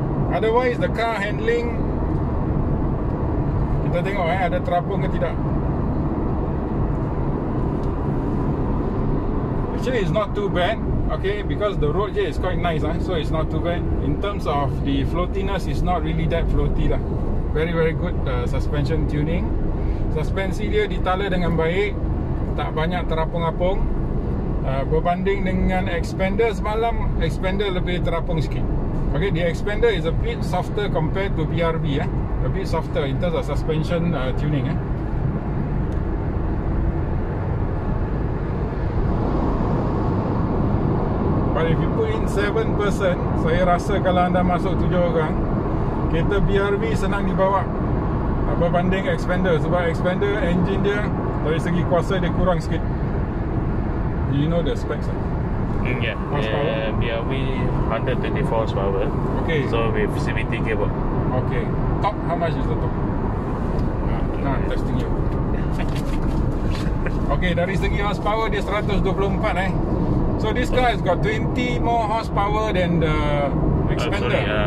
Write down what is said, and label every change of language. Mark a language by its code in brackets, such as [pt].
[en] Otherwise, the car handling, [ms] kita tengok ada terapung ke tidak. [en] Actually, it's not too bad. Okay, because the road here is quite nice, so it's not too bad. In terms of the floatiness, it's not really that floaty lah. Very, very good suspension tuning. [ms] Suspensi dia ditala dengan baik, tak banyak terapung-apung. Berbanding dengan expander semalam, expander lebih terapung sikit. [en] Okay, the expander is a bit softer compared to PRV, a bit softer in terms of suspension tuning. But if you put in 7%, [ms] saya rasa kalau anda masuk 7 orang, kereta PRV senang dibawa berbanding expander, sebab expander engine dia dari segi kuasa dia kurang sikit. [en] You know the specs, Yeah, we 124 horsepower. Okay. So with CVT cable. Okay. Top, how much is the top? Nah, testing you. [ms] Okay, dari segi horsepower dia 124. [en] So this car has got 20 more horsepower than the expander.